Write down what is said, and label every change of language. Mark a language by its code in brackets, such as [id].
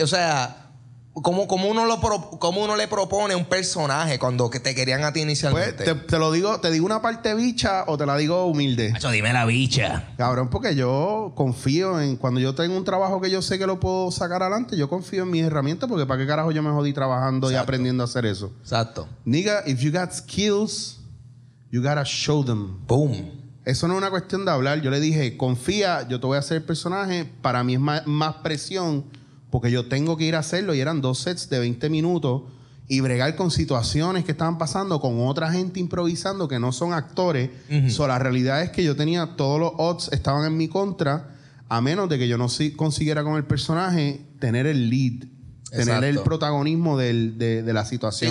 [es] O sea, ¿cómo uno lo cómo uno le propone un personaje cuando que te querían a ti inicialmente? Pues te lo digo, te digo una parte bicha o te la digo humilde. Macho, dime la bicha. Cabrón, porque yo confío en... Cuando yo tengo un trabajo que yo sé que lo puedo sacar adelante, yo confío en mis herramientas, porque ¿para qué carajo yo me jodí trabajando Exacto. y aprendiendo a hacer eso? Exacto. [en] Nigga, if you got skills, you gotta show them. Boom. [es] Eso no es una cuestión de hablar. Yo le dije, confía, yo te voy a hacer el personaje. Para mí es más presión, porque yo tengo que ir a hacerlo, y eran dos sets de 20 minutos y bregar con situaciones que estaban pasando con otra gente improvisando que no son actores. Uh-huh. [en] So, [es] la realidad es que yo tenía todos los odds estaban en mi contra, a menos de que yo no consiguiera con el personaje tener el lead, tener Exacto. el protagonismo de la situación.